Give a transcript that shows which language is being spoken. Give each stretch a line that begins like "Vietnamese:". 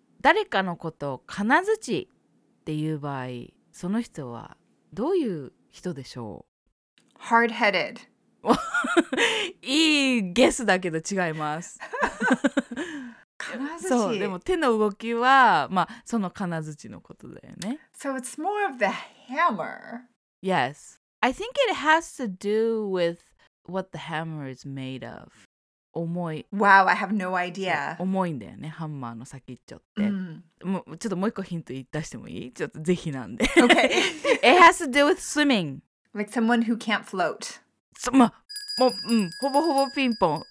Japanese: 誰かのことを金槌っていう場合、その人はどういう人でしょう。
English: Hard-headed.
Japanese: いいゲスだけど違います。金槌。そう、でも手の動きは、まあ、その金槌のことだよね。
English: So it's more of the hammer. Yes. I think it has to do with what the hammer is made of.
Japanese: 重い。
English: Wow, I have no idea.
Japanese: 重いんだよね、ハンマーの先っちょって。もうちょっともう一個ヒント出してもいい？ちょっとぜひなんで。
English: Okay. It has to do with swimming. Like someone who can't float.
Japanese: ま、もう、うん、ほぼほぼピンポン。